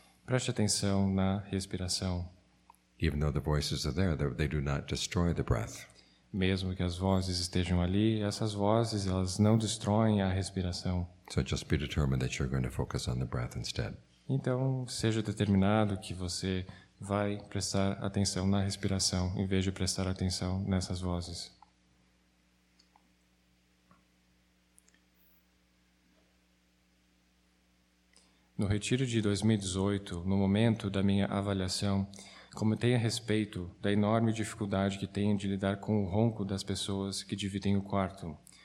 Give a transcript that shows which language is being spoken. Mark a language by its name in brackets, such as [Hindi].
[Portuguese] Preste atenção na respiração. [English] Even though the voices are there, they do not destroy the breath. [Portuguese] Mesmo que as vozes estejam ali, essas vozes elas não destroem a respiração. [English] So just be determined that you're going to focus on the breath instead. [Portuguese] Então seja determinado que você vai prestar atenção na respiração em vez de prestar atenção nessas vozes. No retiro de 2018, no momento da minha avaliação, comentei a respeito da enorme dificuldade que tenho de lidar com o ronco das pessoas que dividem o quarto.